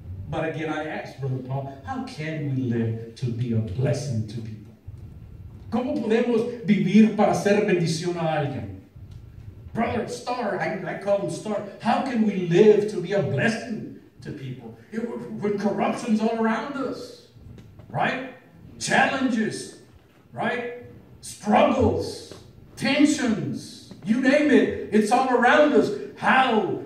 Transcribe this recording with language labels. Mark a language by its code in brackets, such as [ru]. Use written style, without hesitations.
[en] But again, I ask Brother Paul, how can we live to be a blessing to people? [es] ¿Cómo podemos vivir para ser bendición a alguien? [en] Brother Star, I call him Star. How can we live to be a blessing to people? When corruption's all around us, right? Challenges, right? Struggles, tensions, you name it. It's all around us. How?